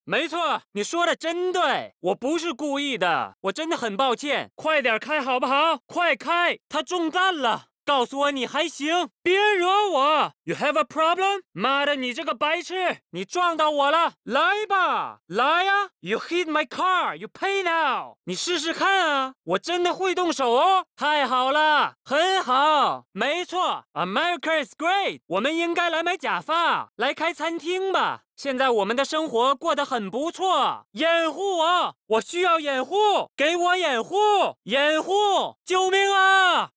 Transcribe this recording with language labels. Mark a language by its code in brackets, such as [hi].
[zh] 没错，你说的真对，我不是故意的，我真的很抱歉。快点开好不好，快开，他中弹了。告诉我你还行，别惹我。 [en] You have a problem? [zh] 妈的，你这个白痴，你撞到我了，来吧，来啊。 [en] You hit my car, you pay now. [zh] 你试试看啊，我真的会动手哦。太好了，很好，没错， [en] America is great. [zh] 我们应该来买假发，来开餐厅吧。现在我们的生活过得很不错。掩护我，我需要掩护，给我掩护，掩护，救命啊。